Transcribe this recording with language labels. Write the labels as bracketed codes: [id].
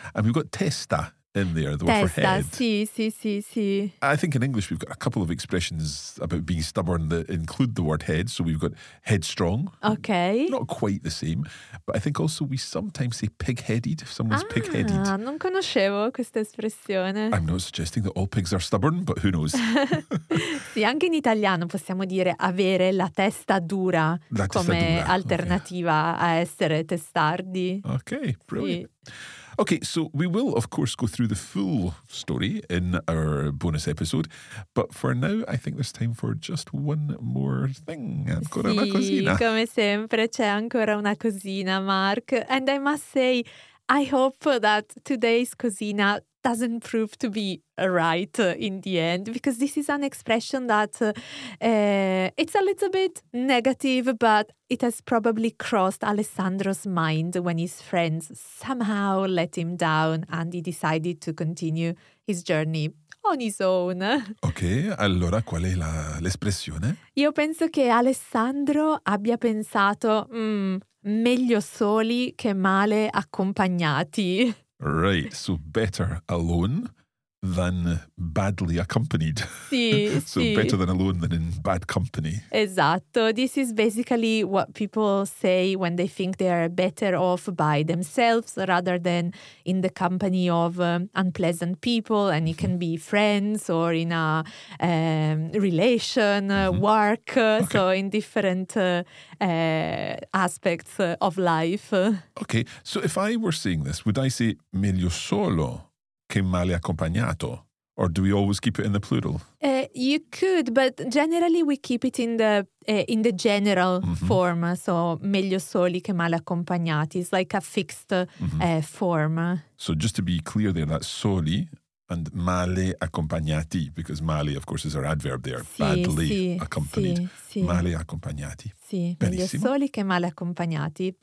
[en] And we've got testa in there, the [it] testa, [en] word for head. [it] Sì, sì, sì, sì. [en] I think in English we've got a couple of expressions about being stubborn that include the word head. So we've got headstrong. Okay. Not quite the same. But I think also we sometimes say pig-headed, if someone's pig-headed. [it] Ah, non conoscevo questa espressione. [en] I'm not suggesting that all pigs are stubborn, but who knows. [it] Sì, anche in italiano possiamo dire avere la testa dura la come testa dura. Alternativa okay. a essere testardi. [en] Okay, brilliant. Sì. Okay, so we will, of course, go through the full story in our bonus episode. But for now, I think there's time for just one more thing. [it] Ancora sì, una cosina. Come sempre, c'è ancora una cosina, Mark. [en] And I must say, I hope that today's cuisine doesn't prove to be right in the end, because this is an expression that it's a little bit negative, but it has probably crossed Alessandro's mind when his friends somehow let him down and he decided to continue his journey on his own. [it] Ok, allora qual è l'espressione? Io penso che Alessandro abbia pensato meglio soli che male accompagnati. [en] Right, so better alone than badly accompanied. [it] Sì, [en] so [it] sì. [en] Better than alone than in bad company. Esatto, this is basically what people say when they think they are better off by themselves rather than in the company of unpleasant people, and it can be friends or in a relation, work, okay. So in different aspects of life. Okay, so if I were saying this, would I say [it] meglio solo che male accompagnato? [en] Or do we always keep it in the plural? You could, but generally we keep it in the general form. [it] So meglio soli che male accompagnati. [en] It's like a fixed form. So just to be clear there, that soli and male accompagnati, because male, of course, is our adverb there, [it] sì, [en] badly [it] sì, [en] accompanied. [it] Sì, sì. Male accompagnati. Sì, meglio soli che male accompagnati.